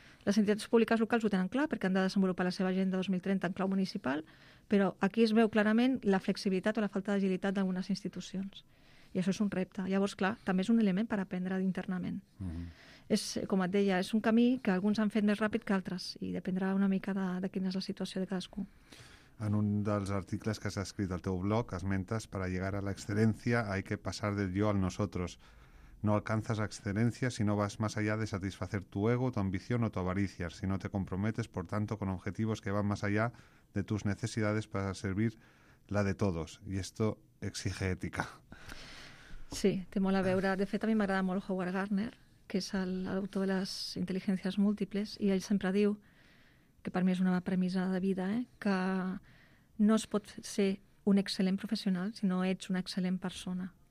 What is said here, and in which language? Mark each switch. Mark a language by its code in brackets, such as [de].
[ca] Les entitats públiques locals ho tenen clar perquè han de desenvolupar la seva agenda 2030 en clau municipal, però aquí es veu clarament la flexibilitat o la falta d'agilitat d'algunes institucions. I això és un repte. Llavors, clar, també és un element per aprendre internament. Uh-huh. És, com et deia, és un camí que alguns han fet més ràpid que altres i dependrà una mica de quina és la situació de cadascú. En un dels articles que has escrit al teu blog, esmentes, [es] para llegar a la excelencia hay que pasar del yo al nosotros. No alcanzas excelencia si no vas más allá de satisfacer tu ego, tu ambición o tu avaricia, si no te comprometes, por tanto, con objetivos que van más allá de tus necesidades para servir la de todos. Y esto exige ética. [ca] Sí, té molt a veure. De fet, a mi m'agrada molt Howard Gardner, que és l'autor de les intel·ligències múltiples, i ell sempre diu, que per mi és una premissa de vida, que no es pot ser un excel·lent professional si no ets una excel·lent persona.